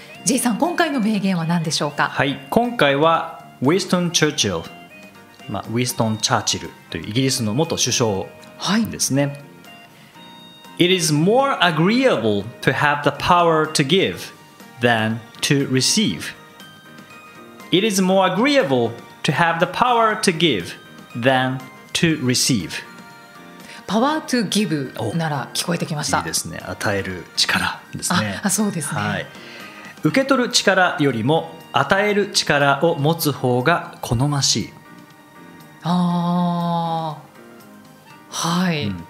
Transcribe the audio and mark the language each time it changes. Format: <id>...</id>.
<ja>J さん、今回の名言は何でしょうか。はい、今回はウィストン・チャーチル、まあ、ウィストン・チャーチルというイギリスの元首相ですね、はい、</ja> <en>It is more agreeable to have the power to give than to receive. It is more agreeable to have the power to give than to receive. Power to give</en> <ja>なら聞こえてきました。いいですね、与える力ですね。あ、そうですね、はい、受け取る力よりも与える力を持つ方が好ましい。あ、はい、うん、</ja>